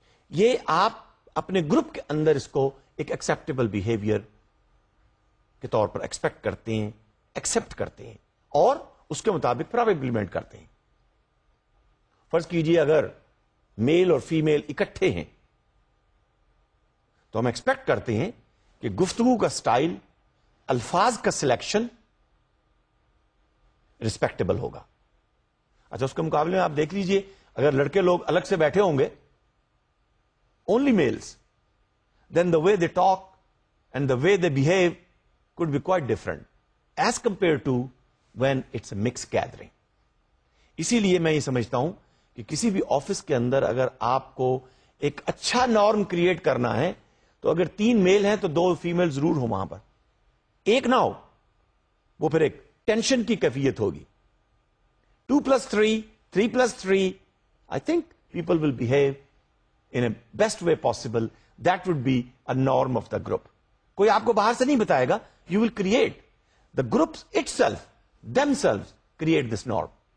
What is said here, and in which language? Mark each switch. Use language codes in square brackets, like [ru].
[ur] یہ آپ اپنے گروپ کے اندر اس کو ایک ایکسپٹیبل بیہیویئر کے طور پر ایکسپیکٹ کرتے ہیں، ایکسپٹ کرتے ہیں اور اس کے مطابق پھر آپ امپلیمنٹ کرتے ہیں. فرض کیجئے اگر میل اور فیمیل اکٹھے ہیں تو ہم ایکسپیکٹ کرتے ہیں کہ گفتگو کا سٹائل، الفاظ کا سلیکشن ریسپیکٹیبل ہوگا. اچھا اس کے مقابلے میں آپ دیکھ لیجئے اگر لڑکے لوگ الگ سے بیٹھے ہوں گے، [en] Only males, then the way they talk and the way they behave could be quite different as compare to when it's a mix gathering. [ur] اسی لیے میں یہ سمجھتا ہوں کہ کسی بھی آفس کے اندر اگر آپ کو ایک اچھا نارم کریٹ کرنا ہے تو اگر تین میل ہیں تو دو فیمیل ضرور ہو وہاں پر، ایک نہ ہو وہ پھر ایک ٹینشن کی کیفیت ہوگی. [en] 2+3, 3+3, I think people will behave in a best way possible. That would be a norm of the group. [ur] Koi aapko bahar se nahin batayega, [en] you will create. The groups itself, themselves, create this norm.